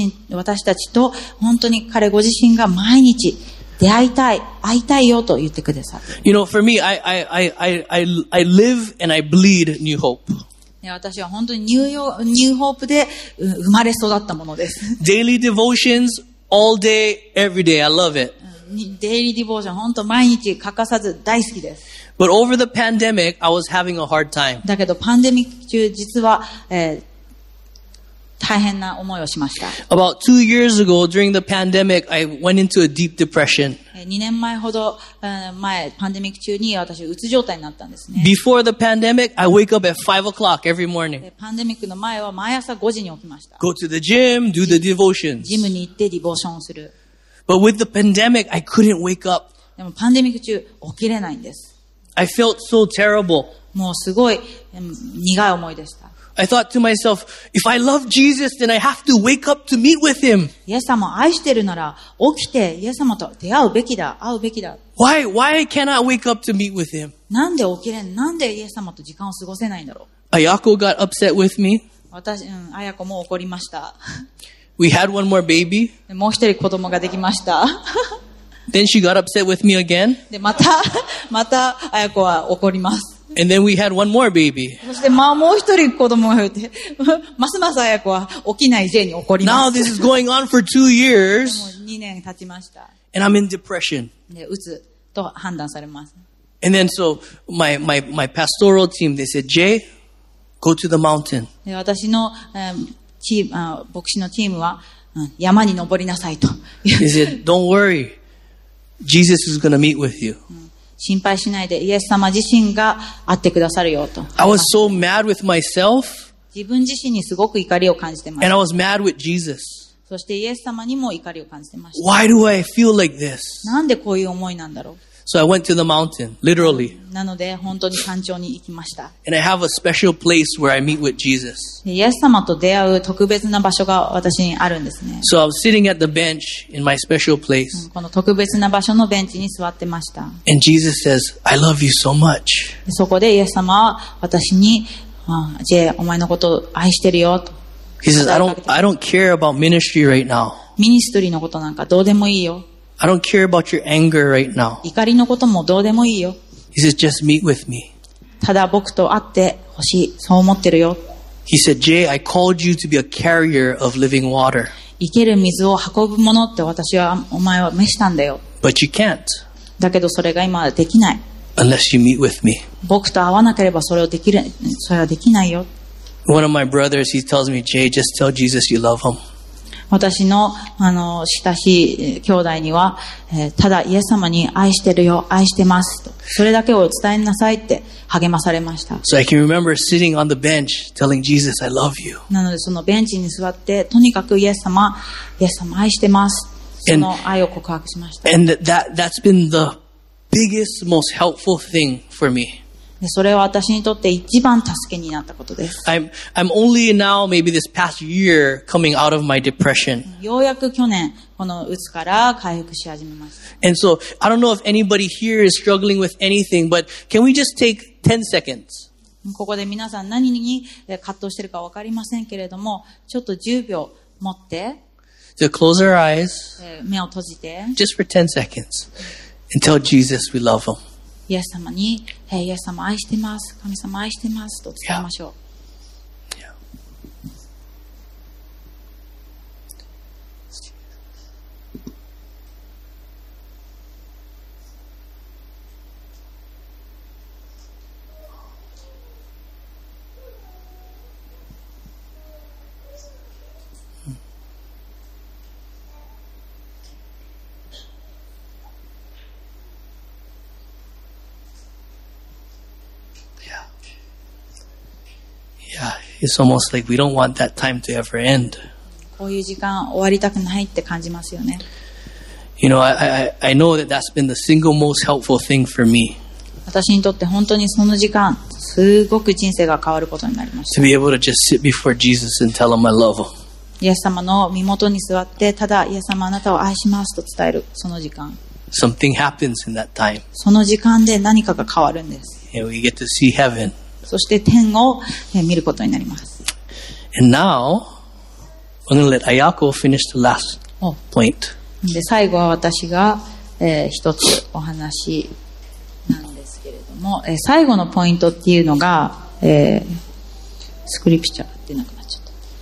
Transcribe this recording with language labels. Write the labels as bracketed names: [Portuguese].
[Japanese] 私たちと本当に彼ご自身が毎日出会いたい、会いたいよと言ってくださる。 [English] You know, for me, I live and I bleed New Hope. [Japanese] 私は本当にニューホープで生まれ育ったものです。 [English] Daily devotions, all day, every day, I love it. Daily devotion, [Japanese] 本当毎日欠かさず大好きです。 [English] But over the pandemic, I was having a hard time. [Japanese] だけどパンデミック中、実は、大変な思いをしました。 [English] About 2 years ago, during the pandemic, I went into a deep depression. [Japanese] 2年前ほど前、パンデミック中に私、うつ状態になったんですね。 [English] Before the pandemic, I wake up at 5 o'clock every morning. [Japanese] パンデミックの前は毎朝5時に起きました。 [English] Go to the gym, do the devotions. [Japanese] ジムに行ってディボーションをする。 [English] But with the pandemic, I couldn't wake up. [Japanese] でもパンデミック中、起きれないんです。 [English] I felt so terrible. [Japanese] もうすごい苦い思いでした。 [English] I thought to myself, if I love Jesus, then I have to wake up to meet with him. [Japanese] イエス様愛してるなら起きてイエス様と出会うべきだ、会うべきだ。 [English] Why can't I wake up to meet with him? [Japanese] なんで起きれん、なんでイエス様と時間を過ごせないんだろう。 [English] Ayako got upset with me. [Japanese] 私、Ayako も怒りました。 [English] We had one more baby. [Japanese] もう一人子供ができました。 [English] Then she got upset with me again. [Japanese] で、また Ayako は怒ります。 [English] And then we had one more baby. [Japanese] そしてまあもう一人子供が産んで、ますます彩子は起きないせいに怒ります。 [English] Now this is going on for 2 years. [Japanese] もう2年経ちました。 [English] And I'm in depression. [Japanese] で、うつと判断されます。 [English] And then so my pastoral team they said, Jay, go to the mountain. [Japanese] で、私のチーム、牧師のチームは、山に登りなさいと。 [English] They said, Don't worry, Jesus is going to meet with you. [Japanese] 心配しないで、イエス様自身が会ってくださるよと。 [English] I was so mad with myself. [Japanese] 自分自身にすごく怒りを感じてました。 [English] And I was mad with Jesus. [Japanese] そしてイエス様にも怒りを感じてました。 [English] Why do I feel like this? [Japanese] なんでこういう思いなんだろう。 [English] So I went to the mountain, literally. [Japanese] なので本当に山頂に行きました。 [English] And I have a special place where I meet with Jesus. [Japanese] イエス様と出会う特別な場所が私にあるんですね。 [English] So I was sitting at the bench in my special place. [Japanese] この特別な場所のベンチに座ってました。 [English] And Jesus says, I love you so much. [Japanese] そこでイエス様は私に、ジェイ、お前のことを愛してるよと。 [English] He says, I don't care about ministry right now. [Japanese] ミニストリーのことなんかどうでもいいよ。 [English] I don't care about your anger right now. [Japanese] 怒りのこともどうでもいいよ。 [English] He said, just meet with me. [Japanese] ただ僕と会ってほしい。そう思ってるよ。 [English] He said, Jay, I called you to be a carrier of living water. [Japanese] 生ける水を運ぶものって私はお前は召したんだよ。 [English] But you can't. [Japanese] だけどそれが今できない。 [English] unless you meet with me. [Japanese] 僕と会わなければそれはできないよ。 [English] One of my brothers, he tells me, Jay, just tell Jesus you love him. [Japanese] 私の、あの、親しい兄弟には、ただイエス様に愛してるよ、愛してますと。それだけを伝えなさいって励まされました。 [English] So I can remember sitting on the bench telling Jesus I love you. [Japanese] なのでそのベンチに座って、とにかくイエス様愛してます。その愛を告白しました。 [English] And that's been the biggest, most helpful thing for me. [Japanese] それは私にとって一番助けになったことです。 [English] I'm only now, maybe this past year, coming out of my depression. [Japanese] ようやく去年、この鬱から回復し始めました。 [English] And so, I don't know if anybody here is struggling with anything, but can we just take 10 seconds? [Japanese] ここで皆さん何に葛藤してるかわかりませんけれども、ちょっと10秒持って、 [English] so、close our eyes, [Japanese] 目を閉じて、 [English] just for 10 seconds, and tell Jesus we love him. [Japanese] イエス様に、イエス様愛してます、神様愛してますと伝えましょう。 [English] It's almost like we don't want that time to ever end. [Japanese] こういう時間終わりたくないって感じますよね。 [English] You know, I know that that's been the single most helpful thing for me. [Japanese] 私にとって本当にその時間、すごく人生が変わることになりました。 [English] To be able to just sit before Jesus and tell him I love him. [Japanese] イエス様の身元に座って、ただイエス様あなたを愛しますと伝える、その時間。 [English] Something happens in that time. [Japanese] その時間で何かが変わるんです。 [English] Yeah, we get to see heaven. [Japanese] そして天を見ることになります。 [English] And now, I'm going to let Ayako finish the last point. [Japanese] で最後は私が、一つお話なんですけれども、最後のポイントっていうのが、スクリプチャーってなくなっちゃった。